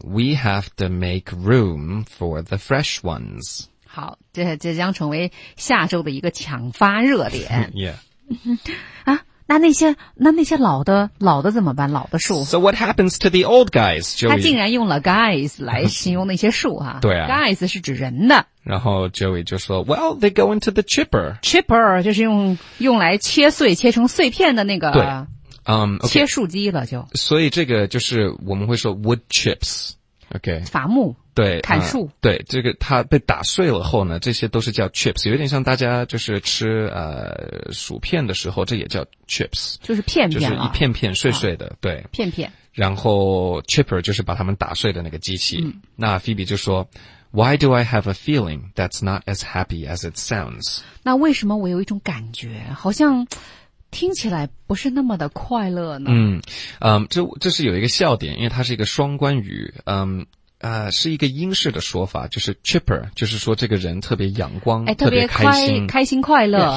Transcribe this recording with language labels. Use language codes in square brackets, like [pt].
[en] Yeah, we have to make room for the fresh ones. [zh] 好，这将成为下周的一个抢发热点。 [en] Yeah. [zh] 啊。那些老的怎么办？老的树。 [en] So what happens to the old guys? [zh] 他竟然用了 guys 来形容那些树啊。对啊。 guys 是指人的。然后 Joey 就说 [en] ,well, they go into the chipper. [zh] Chipper 就是用来切碎切成碎片的那个。对。Okay, 切树机了就。所以这个就是我们会说 wood chips. OK。伐木。对。砍树。对，这个它被打碎了后呢，这些都是叫 chips, 有点像大家就是吃薯片的时候，这也叫 chips。就是片片。就是一片片碎碎的、啊、对。片片。然后 chipper 就是把它们打碎的那个机器。嗯、那 Phoebe 就说 [en] ,why do I have a feeling that's not as happy as it sounds? [zh] 那为什么我有一种感觉好像听起来不是那么的快乐呢？嗯嗯，这是有一个笑点，因为它是一个双关语，嗯是一个英式的说法，就是 chipper, 就是说这个人特别阳光、哎、特别开心快乐